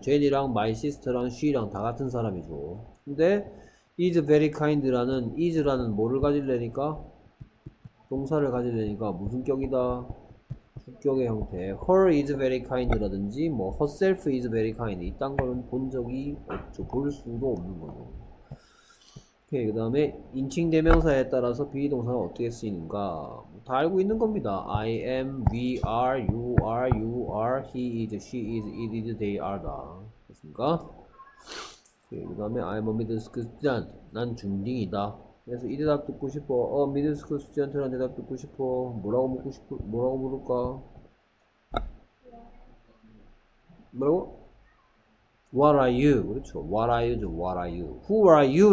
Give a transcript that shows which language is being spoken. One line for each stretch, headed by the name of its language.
Korean: Jenny랑 my sister랑 she랑 다 같은 사람이죠. 근데 is very kind라는 is라는 뭐를 가지려니까 동사를 가지려니까 무슨 격이다? 격의 형태.
English: Her is very kind
Korean: 라든지 뭐
English: herself is very kind
Korean: 이딴 거는 본 적이 없죠. 볼 수도 없는 거죠. 오케이, 그 다음에 인칭 대명사에 따라서 비동사가 어떻게 쓰이는가 다 알고 있는 겁니다.
English: I am, we are, you are, you are, he is, she is, it is, they are
Korean: 다 됐습니까?
English: 오케이, 그 다음에 I am a middle school student.
Korean: 난 중딩이다. 그래서 이 대답 듣고 싶어. 미들스쿨 스튜던트라는 대답 듣고 싶어. 뭐라고 묻고 싶어? 뭐라고 물을까? 뭐라고?
English: What are you? 그렇죠. What are you? What are you? Who are you?